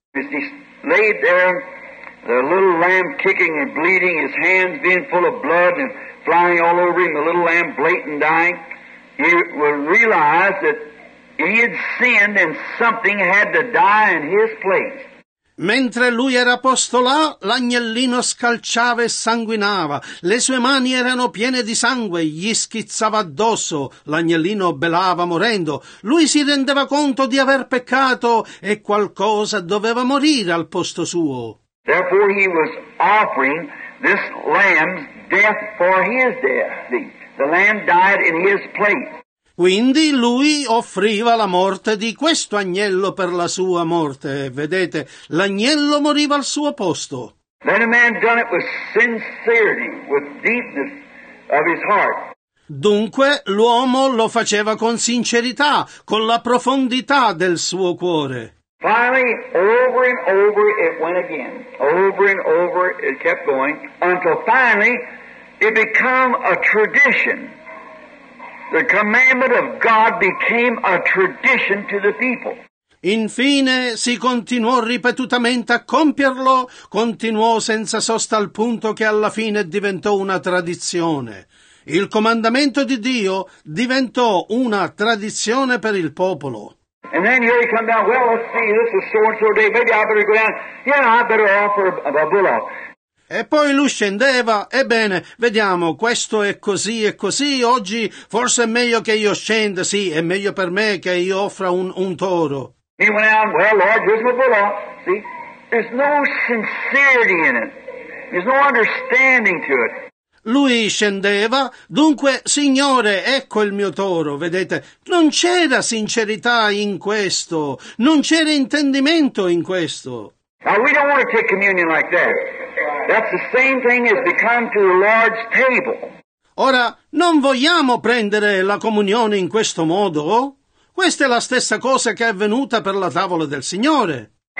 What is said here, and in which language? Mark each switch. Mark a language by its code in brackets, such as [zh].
[en] He laid there, the little lamb kicking and bleeding, his hands being full of blood and flying all over him, the little lamb bleating dying, he would realize that he had sinned and something had to die in his place. [it] Mentre lui era posto là, l'agnellino scalciava e sanguinava. Le sue mani erano piene di sangue, gli schizzava addosso. L'agnellino belava morendo. Lui si rendeva conto di aver peccato e qualcosa doveva morire al posto suo. [en] Therefore he was offering this lamb's death for his death. The lamb died in his place. [it] Quindi lui offriva la morte di questo agnello per la sua morte. Vedete, l'agnello moriva al suo posto. [en] Then a man done it with sincerity, with deepness of his heart. [it] Dunque l'uomo lo faceva con sincerità, con la profondità del suo cuore. [en] Finally, over and over it went again. Over and over it kept going until finally it became a tradition. The commandment of God became a tradition to the people. [it] Infine si continuò ripetutamente a compierlo, continuò senza sosta al punto che alla fine diventò una tradizione. Il comandamento di Dio diventò una tradizione per il popolo. [en] And then here he come down, well, let's see, this is so and so day, maybe I better go down, yeah, I better offer a bullock. [it] E poi lui scendeva, ebbene, vediamo, questo è così e così, oggi forse è meglio che io scenda, sì, è meglio per me che io offra un toro. [en] He went out, well, Lord, here's my bullock, see, there's no sincerity in it, there's no understanding to it. [it] Lui scendeva, dunque, Signore, ecco il mio toro, vedete, non c'era sincerità in questo, non c'era intendimento in questo. [en] Now we don't want to take communion like that. That's the same thing as to come to a large table. [it] Ora, non vogliamo prendere la comunione in questo modo? Questa è la stessa cosa che è avvenuta per la tavola del Signore.